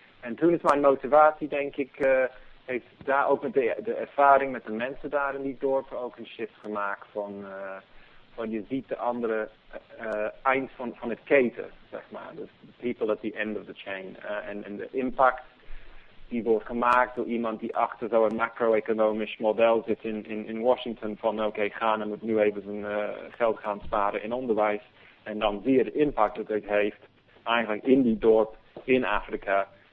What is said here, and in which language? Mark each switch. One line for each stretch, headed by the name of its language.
Dutch: En toen is mijn motivatie, denk ik, heeft daar ook met de ervaring met de mensen daar in die dorpen ook een shift gemaakt van. Want je ziet de andere eind van het keten, zeg maar. Dus
English: the people at the end of the chain.
Dutch: En de impact die wordt gemaakt door iemand die achter zo'n macro-economisch model zit in Washington. Ghana moet nu even zijn geld gaan sparen in onderwijs. En dan zie je de impact dat het heeft eigenlijk in die dorp in Afrika.